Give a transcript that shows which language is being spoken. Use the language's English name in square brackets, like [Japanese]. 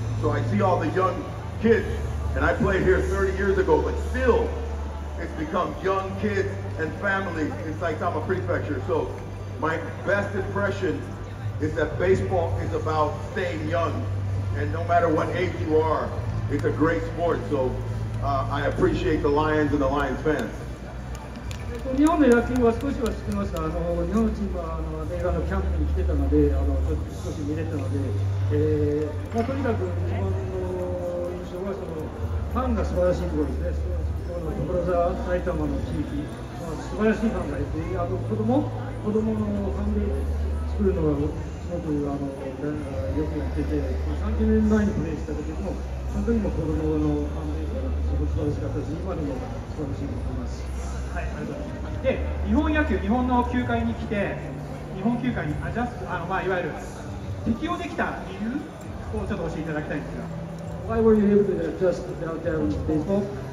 [English] So I see all the young kids, and I played here 30 years ago, but still it's become young kids and families in Saitama Prefecture. So my best impression is that baseball is about staying young, and no matter what age you are, it's a great sport. So I appreciate the Lions and the Lions fans. [Japanese] 日本の野球は少しは知ってました。日本チームはアメリカのキャンプに来てたので、少し見れたので、とにかく日本の印象はファンが素晴らしいところですね。所沢、埼玉の地域、素晴らしいファンがいて、あと子供のファンで作るのがすごくよくやってて、30年前にプレーした時も、本当にも子供のファンベースがすごく素晴らしかったし、今でも素晴らしいと思います。で、日本野球、日本の球界に来て、日本球界にアジャスト、いわゆる適応できた理由をちょっと教えていただきたいんですが。 [English] Why were you able to adjust to downtown baseball?